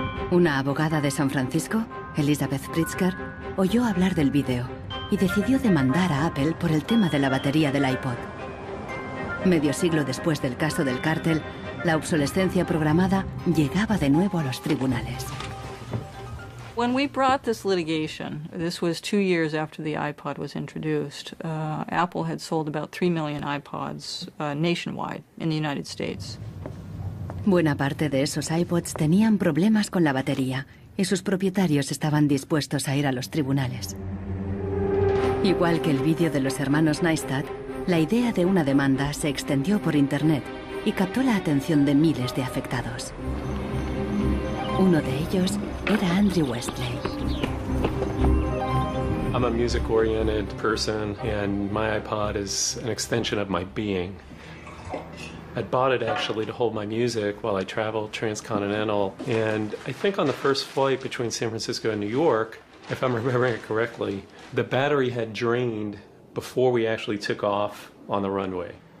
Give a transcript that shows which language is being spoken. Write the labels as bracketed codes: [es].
[es] Una abogada de San Francisco, Elizabeth Pritzker, oyó hablar del video y decidió demandar a Apple por el tema de la batería del iPod. Medio siglo después del caso del cártel, la obsolescencia programada llegaba de nuevo a los tribunales. [en] When we brought this litigation, this was 2 years after the iPod was introduced, Apple had sold about 3 million iPods nationwide in the United States. [es] Buena parte de esos iPods tenían problemas con la batería y sus propietarios estaban dispuestos a ir a los tribunales. Igual que el vídeo de los hermanos Neistat, la idea de una demanda se extendió por Internet y captó la atención de miles de afectados. Uno de ellos era Andrew Westley. [en] I'm a music-oriented person, and my iPod is an extension of my being. I bought it actually to hold my music while I traveled transcontinental, and I think on the first flight between San Francisco and New York, if I'm remembering it correctly, the battery had drained before we actually took off on the runway.